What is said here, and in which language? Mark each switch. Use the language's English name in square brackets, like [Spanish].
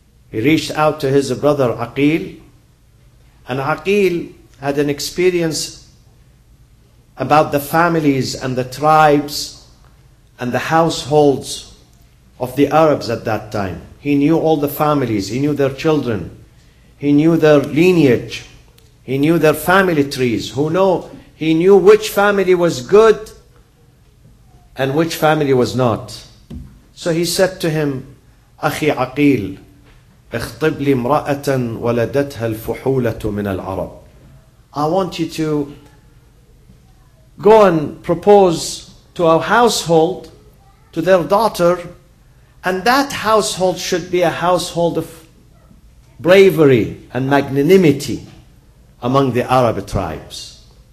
[English] He reached out to his brother Aqeel, and Aqeel had an experience about the families and the tribes and the households of the Arabs at that time. He knew all the families, he knew their children, he knew their lineage, he knew their family trees, he knew which family was good and which family was not. So he said to him, [Arabic] أخي عقيل اخطب لي امرأة ولدتها الفحولة من العرب. [English] I want you to go and propose to our household, to their daughter, and that household should be a household of bravery and magnanimity among the Arab tribes.